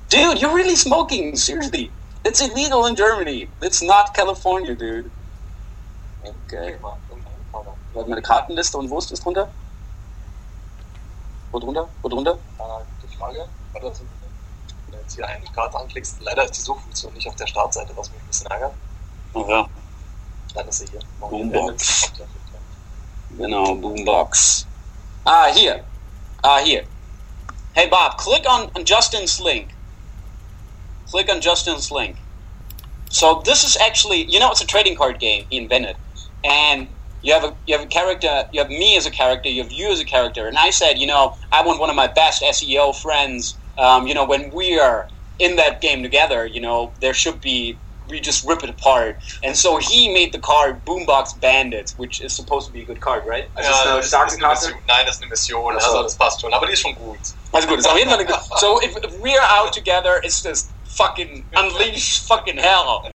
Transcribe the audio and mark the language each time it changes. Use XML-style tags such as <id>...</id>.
<en>Dude, you're really smoking. Seriously. It's illegal in Germany. It's not California, dude. Okay.</en> <de>Warte, meine Kartenliste und Wurst ist drunter? Wo drunter? Die Frage. Wenn du jetzt hier eine Karte anklickst, leider ist die Suchfunktion nicht auf der Startseite, was mich ein bisschen ärgert. Oh ja. Dann ist sie hier. Boombox. Genau, Boombox. Ah, hier.</de> <en>Hey Bob, click on Justin's link. Click on Justin's link. So this is actually, you know, it's a trading card game he invented. And you have a character, you have me as a character, you have you as a character. And I said, you know, I want one of my best SEO friends. You know, when we are in that game together, you know, there should be... We just rip it apart. And so he made the card Boombox Bandits, which is supposed to be a good card, right?</en> <de>Also ja, ist eine Karte? Mission. Nein, das ist eine Mission. Also das passt schon. Aber die ist schon gut. Also gut, ist auf jeden Fall gut.</de> <en>So if we are out together, it's just fucking unleash fucking hell.</en>